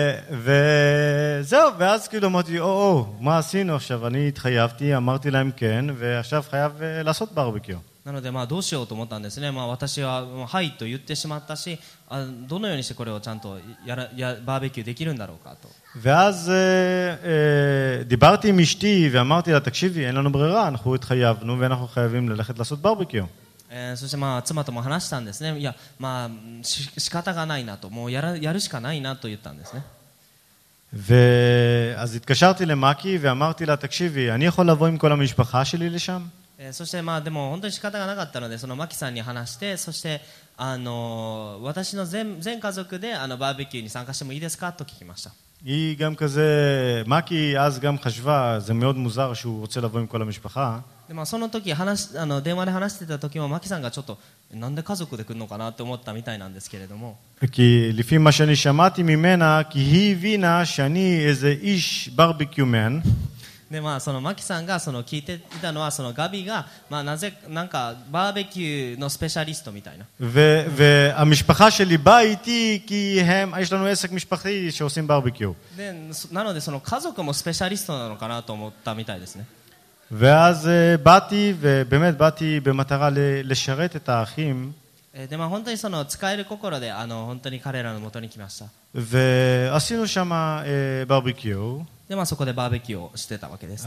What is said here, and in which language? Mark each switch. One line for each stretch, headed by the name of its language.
Hebrew: וזהו, ואז כאילו אמרתי, או, מה עשינו עכשיו? אני התחייבתי, אמרתי להם כן, ועכשיו חייב לעשות ברבקיו.
Japanese: なので、まあどうしようと思ったんですね。まあ私は、はいと言ってしまったし、どのようにしてこれをちゃんとバーベキューできるんだろうかと。
Hebrew: ואז דיברתי עם אשתי ואמרתי לה, תקשיבי, אין לנו ברירה, אנחנו התחייבנו ואנחנו חייבים ללכת לעשות ברבקיו.
Japanese: そしてまあ妻とも話したんですね。いや、まあ仕方がないなと、もうやるしかないなと言ったんですね。
Hebrew: ואז התקשרתי למקי ואמרתי לה, תקשיבי, אני יכול לבוא עם כל המשפחה שלי לשם?
Japanese: そしてまあでも本当に仕方がなかったので、そのマキさんに話して、そして私の 全家族でバーベキューに参加してもいいですかと聞きました。
Hebrew: היא גם כזה, מקי אז גם חשבה, זה מאוד מוזר שהוא רוצה לבוא עם כל המשפחה.
Japanese: でまあその時話電話で話してた時もマキさんがちょっとなんで家族で来るのかなって思ったみたいなんですけれども、
Hebrew: כי לפי מה שאני שמעתי ממנה, כי היא הבינה שאני איזה איש ברבקיו מן.
Japanese: でまあそのマキさんがその聞いていたのは、そのガビがまあなぜなんかバーベキューのスペシャリストみたいな。
Hebrew: והמשפחה שלי באה איתי, כי הם, יש לנו עסק משפחתי שעושים ברבקיו.
Japanese: でなのでその家族もスペシャリストなのかなと思ったみたいですね。
Hebrew: ואז באתי, ובאמת באתי במטרה לשרת את האחים.
Japanese: でまあ本当にその使える心で本当に彼らの元に来ました。
Hebrew: ועשינו שם ברבקיו.
Japanese: でまあそこでバーベキューをしてたわけです、